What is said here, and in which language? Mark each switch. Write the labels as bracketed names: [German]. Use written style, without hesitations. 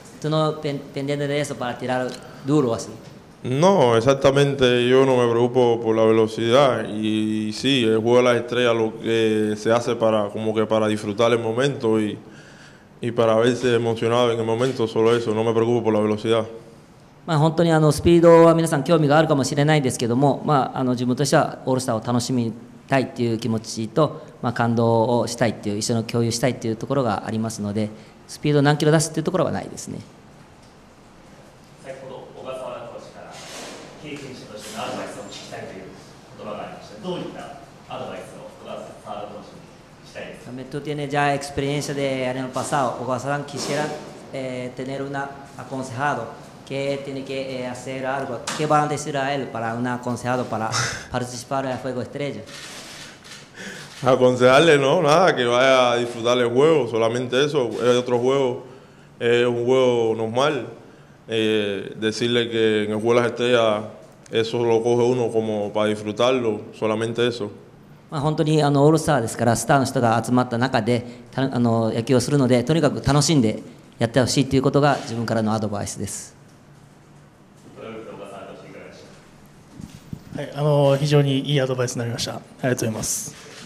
[Spanish] Tú no pendiente de eso para tirar duro así. No, exactamente, yo no me preocupo por la velocidad y sí, el juego de las estrellas lo que se hace para, como que para disfrutar el momento y para verse emocionado en el momento, solo eso, no me preocupo por la velocidad. [Japanese] まあ、本当にあのスピードは皆さん興味があるかもしれないんですけども、まあ、あの自分としてはオールスターを楽しみたいという気持ちと、まあ、感動をしたいという一緒に共有したいというところがありますので、スピードを何キロ出すというところはないですね。先ほど小笠原コーチから経験者としてのアドバイスを聞きたいという言葉がありました。どういったアドバイスを小笠原コーチにしたいですか。メトティネジャーエクスペリエンシャでアレノパサー小笠原キシエラ、テネルナアコンセハード [Spanish] Que tiene que hacer algo. ¿Qué van a decir a él para un aconsejado para participar en el juego estrella? Aconsejarle, no, nada, que vaya a disfrutar el juego, solamente eso. Es otro juego, es un juego normal. Decirle que en el juego de las estrellas eso lo coge uno como para disfrutarlo, solamente eso. [Japanese] まあ、本当にあのオールスターですから、スターの人が集まった中でたあの野球をするので、とにかく楽しんでやってほしいということが自分からのアドバイスです。はい、あの非常にいいアドバイスになりました。ありがとうございます。